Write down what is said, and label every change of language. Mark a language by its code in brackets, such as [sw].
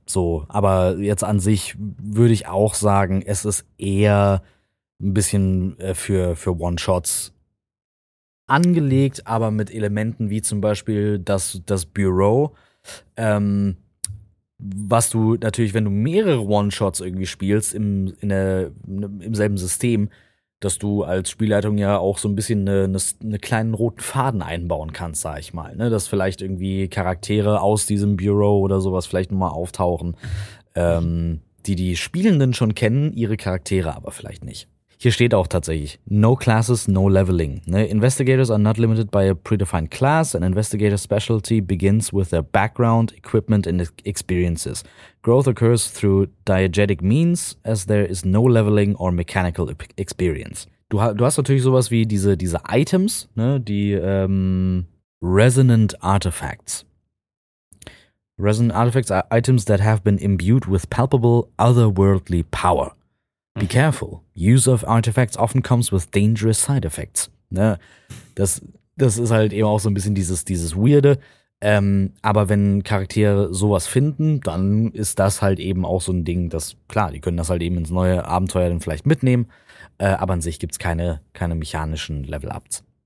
[de] So, aber jetzt an sich würde ich auch sagen, es ist eher ein bisschen für One-Shots angelegt, aber mit Elementen wie zum Beispiel das Bureau, was du natürlich, wenn du mehrere One-Shots irgendwie spielst im selben System, dass du als Spielleitung ja auch so ein bisschen eine kleinen roten Faden einbauen kannst, sag ich mal. Ne? Dass vielleicht irgendwie Charaktere aus diesem Bureau oder sowas vielleicht nochmal auftauchen, die Spielenden schon kennen, ihre Charaktere aber vielleicht nicht. Hier steht auch tatsächlich, [en] no classes, no leveling. [de] Ne? [en] Investigators are not limited by a predefined class. An investigator's specialty begins with their background, equipment and experiences. Growth occurs through diegetic means, as there is no leveling or mechanical experience. [de] Du hast natürlich sowas wie diese Items, ne? Die Resonant Artifacts. [en] Resin artifacts are items that have been imbued with palpable otherworldly power. Be careful. Use of artifacts often comes with dangerous side effects. [de] Ne? Das ist halt eben auch so ein bisschen dieses Weirde. Aber wenn Charaktere sowas finden, dann ist das halt eben auch so ein Ding, dass klar, die können das halt eben ins neue Abenteuer dann vielleicht mitnehmen. Aber an sich gibt's keine mechanischen Level-Ups.